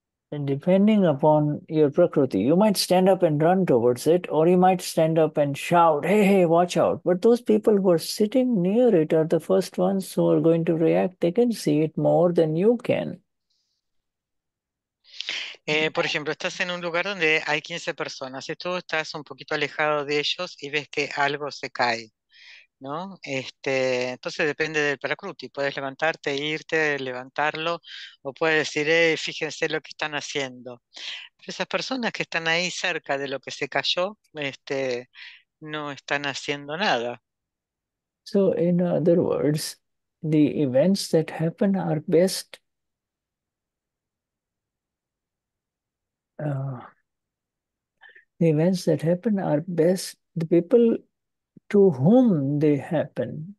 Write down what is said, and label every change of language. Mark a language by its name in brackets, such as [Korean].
[English] and depending upon your prakriti, you might stand up and run towards it, or you might stand up and shout, hey, hey, watch out. But those people who are sitting near it are the first ones who are going to react. They can see it more than you can. [Spanish] Por ejemplo, estás en un lugar donde hay 15 personas. Si tú estás un poquito alejado de ellos y ves que algo se cae, ¿no? Entonces depende del prakruti. Puedes levantarte, irte, levantarlo, o puedes decir, fíjense lo que están haciendo. Pero esas personas que están ahí cerca de lo que se cayó, no están haciendo nada. [English] So, in other words, the events that happen are best the people to whom they happen.